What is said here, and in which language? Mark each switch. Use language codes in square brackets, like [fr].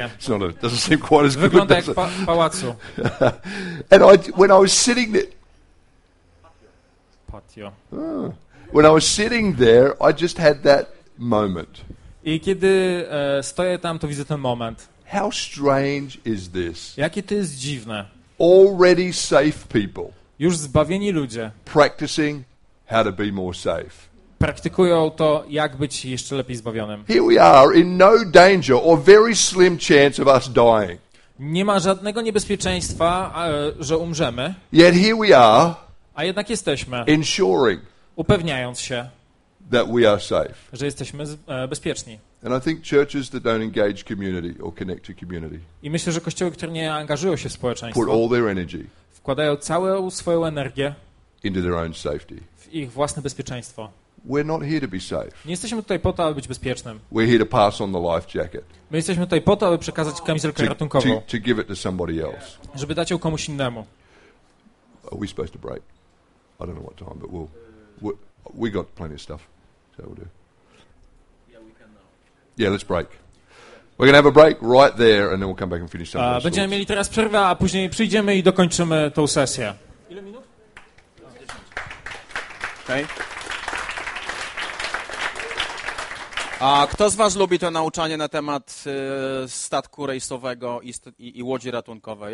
[en] Yeah, it doesn't seem quite as good. [pl] Wygląda jak pałacu. [en] And when I was sitting there. [pl] Patio. [en] When I was sitting there, I just had that moment. [pl] I kiedy stoję tam, to widzę ten moment. [en] How strange is this? [pl] Jakie to jest dziwne. [en] Already safe people. [pl] Już zbawieni ludzie. [en] Practicing how to be more safe. [pl] Praktykują to, jak być jeszcze lepiej zbawionym. [en] Here we are in no danger or very slim chance of us dying. [pl] Nie ma żadnego niebezpieczeństwa, że umrzemy. [en] Yet here we are. [pl] A jednak jesteśmy. [en] Ensuring. [pl] Upewniając się. [en] That we are safe. [pl] Że jesteśmy bezpieczni. [en] And I think churches that don't engage community or connect to community. [pl] I myślę, że kościoły, które nie angażują się w społeczeństwo. [en] Put all their energy. [pl] Wkładają całą swoją energię. [en] Into their own safety. [pl] W ich własne bezpieczeństwo. [en] We're not here to be safe. [pl] Nie jesteśmy tutaj po to, aby być bezpiecznym. [en] We're here to pass on the life jacket. [pl] My jesteśmy tutaj po to, aby przekazać kamizelkę ratunkową. [en] To give it to somebody else. [pl] Żeby dać ją komuś innemu. [en] Are we supposed to break? I don't know what time, but we got plenty of stuff. So we'll do. Yeah, let's break. We're going to have a break right there and then we'll come back and finish some of those. [pl] Będziemy mieli teraz przerwę, a później przyjdziemy i dokończymy tą sesję. Ile minut? Okay. A kto z was lubi to nauczanie na temat statku rejsowego i łodzi ratunkowej?